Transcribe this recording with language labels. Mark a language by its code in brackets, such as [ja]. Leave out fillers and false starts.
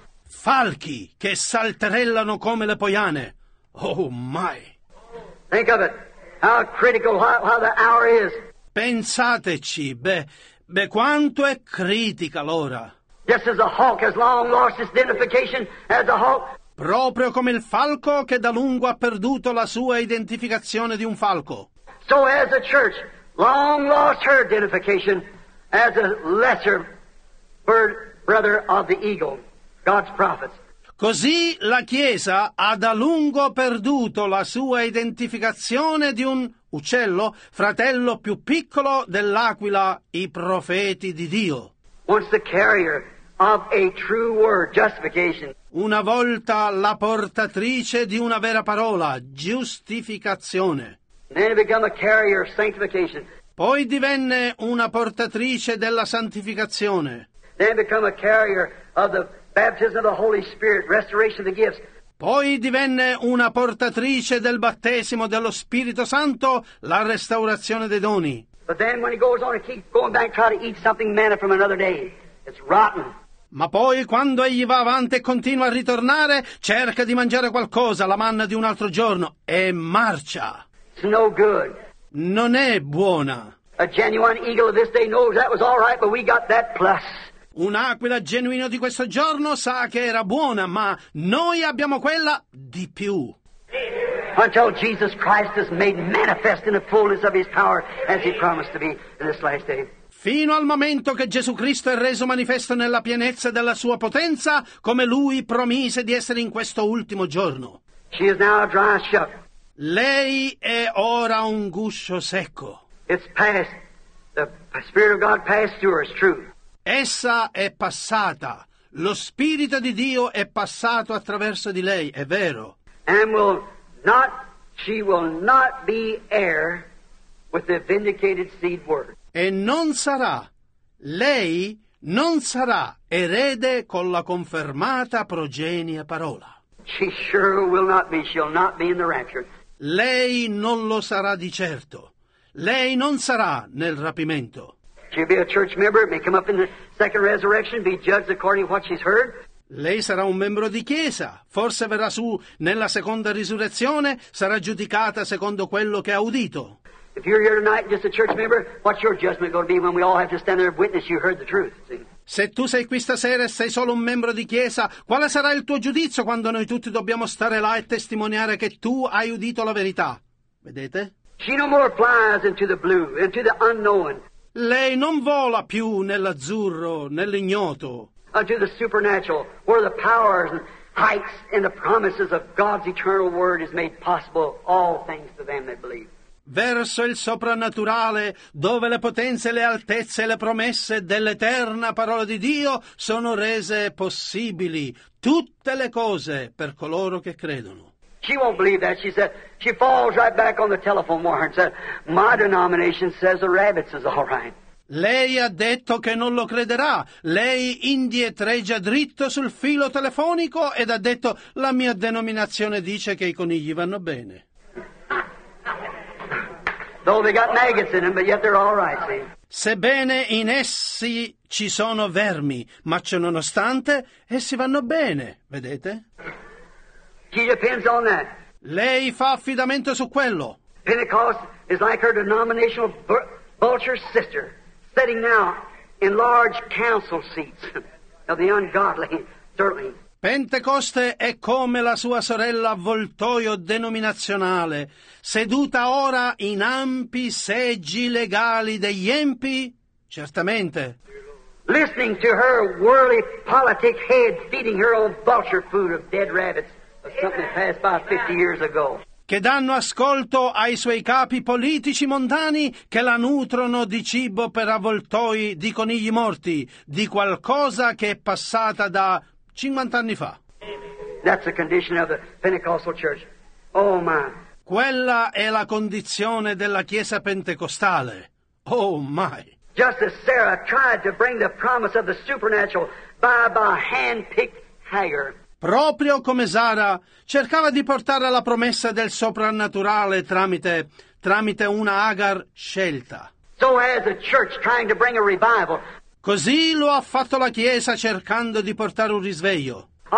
[it] Falchi che salterellano come le poiane. [en] Oh my. Think of it. How critical how the hour is. [it] Pensateci, beh, quanto è critica l'ora. [en] Just as a hawk has long lost its identification as a hawk. [it] Proprio come il falco che da lungo ha perduto la sua identificazione di un falco. [en] So has the church long lost her identification as a lesser bird brother of the eagle, God's prophets. [it] Così la Chiesa ha da lungo perduto la sua identificazione di un uccello, fratello più piccolo dell'aquila, i profeti di Dio. [en] Once the carrier of a true word, justification. [it] Una volta la portatrice di una vera parola, giustificazione. [en] Then it became a carrier of sanctification. [it] Poi divenne una portatrice della santificazione. [en] Then it became a carrier of the baptism of the Holy Spirit, restoration of the gifts. [it] Poi divenne una portatrice del battesimo dello Spirito Santo, la restaurazione dei doni. [en] But then when he goes on to keep going back try to eat something manna from another day, it's rotten. [it] Ma poi quando egli va avanti e continua a ritornare, cerca di mangiare qualcosa, la manna di un altro giorno, e marcia. [en] It's no good. [it] Non è buona. [en] A genuine eagle of this day knows that was all right, but we got that plus. [it] Un'aquila genuino di questo giorno sa che era buona, ma noi abbiamo quella di più. [en] Until Jesus Christ is made manifest in the fullness of his power, as he promised to be in this last day. [it] Fino al momento che Gesù Cristo è reso manifesto nella pienezza della sua potenza, come lui promise di essere in questo ultimo giorno. [en] She is now dry shut. [it] Lei è ora un guscio secco. [en] It's past. The Spirit of God passed through her, it's true. [it] Essa è passata, Lo Spirito di Dio è passato attraverso di lei, è vero. [en] And will not, she will not be heir with the vindicated seed word. [it] E non sarà, lei non sarà erede con la confermata progenia parola. [en] She sure will not be, she'll not be in the rapture. [it] Lei non lo sarà di certo. Lei non sarà nel rapimento. [en] She'll be a church member, may come up in the second resurrection, be judged according to what she's heard. [it] Lei sarà un membro di chiesa, forse verrà su nella seconda risurrezione, sarà giudicata secondo quello che ha udito. [en] If you're here tonight just a church member, what's your judgment going to be when we all have to stand there and witness you heard the truth? [it] Se tu sei qui stasera e sei solo un membro di chiesa, quale sarà il tuo giudizio quando noi tutti dobbiamo stare là e testimoniare che tu hai udito la verità? Vedete? [en] She no more flies into the blue, into the unknown. [it] Lei non vola più nell'azzurro, nell'ignoto. [en] Into the supernatural, where the powers and heights and the promises of God's eternal word is made possible, all things to them that believe. [it] Verso il soprannaturale, dove le potenze, le altezze e le promesse dell'eterna parola di Dio sono rese possibili, tutte le cose per coloro che credono. [en] She won't believe that. She said, she falls right back on the telephone wire and said, my denomination says the rabbits is all right. [it] Lei ha detto che non lo crederà. Lei indietreggia dritto sul filo telefonico ed ha detto, la mia denominazione dice che i conigli vanno bene. [en] Though they got maggots in them, but yet they're all right, see? [it] Sebbene in essi ci sono vermi, ma ciononostante essi vanno bene, vedete? [en] She depends on that. [it] Lei fa affidamento su quello. [en] Pentecost is like her denominational vulture sister, sitting now in large council seats of the ungodly, certainly. [it] Pentecoste è come la sua sorella avvoltoio denominazionale, seduta ora in ampi seggi legali degli empi, certamente. [en] Listening to her worldly politic head feeding her old vulture food of dead rabbits of something that passed by 50 years ago. [it] Che danno ascolto ai suoi capi politici mondani che la nutrono di cibo per avvoltoi di conigli morti, di qualcosa che è passata da 50 anni fa. [en] That's the condition of the Pentecostal church. Oh my. [it] Quella è la condizione della chiesa pentecostale. [en] Oh my. Just as Sarah tried to bring the promise of the supernatural by hand-picked Hagar. [it] Proprio come Sara cercava di portare la promessa del soprannaturale tramite una Agar scelta. [en] So has the church trying to bring a revival. [it] Così lo ha fatto la Chiesa cercando di portare un risveglio.